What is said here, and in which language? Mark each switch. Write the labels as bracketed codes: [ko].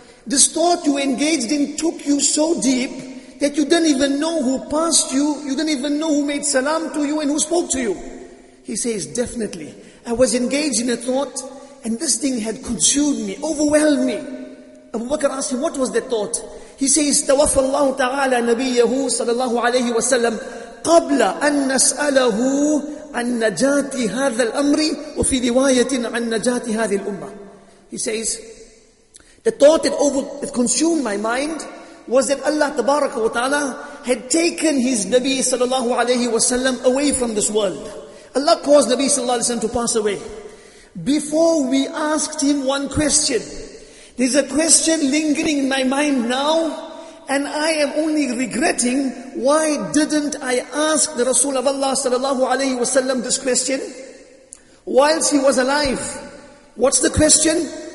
[en] This thought you engaged in took you so deep that you didn't even know who passed you, you didn't even know who made salam to you and who spoke to you. He says, definitely, I was engaged in a thought and this thing had consumed me, overwhelmed me. Abu Bakr asked him, what was that thought? [ar] He says, تَوَفَى اللَّهُ تَعَالَى نَبِيَّهُ صَلَى اللَّهُ عَلَيْهِ وَسَلَّمْ قَبْلَ أَن نَسْأَلَهُ عن نجاة هذا الأمر وفي رواية عن نجاة هذه الأمة. [en] He says, the thought that consumed my mind was that Allah Tabaraka wa Ta'ala had taken his Nabi sallallahu alayhi wa sallam away from this world. Allah caused Nabi sallallahu alayhi wa sallam to pass away. Before we asked him one question, there's a question lingering in my mind now, and I am only regretting, why didn't I ask the Rasul of Allah sallallahu alayhi wa sallam this question whilst he was alive? What's the question?